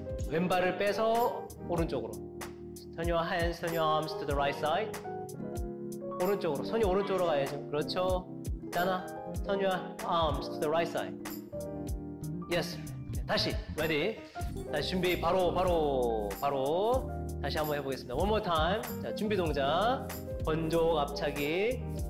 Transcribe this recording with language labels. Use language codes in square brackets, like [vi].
[ko] 왼발을 빼서 오른쪽으로. [en] Turn your hands, turn your arms to the right side. [ko] 오른쪽으로, 손이 오른쪽으로 가야죠. 그렇죠. 있잖아. [en] Turn your arms to the right side. Yes. [ko] 다시. [en] Ready. [ko] 다시 준비. 바로, 바로, 바로. 다시 한번 해보겠습니다. [en] One more time. [ko] 자, 준비 동작. 번조 갑자기.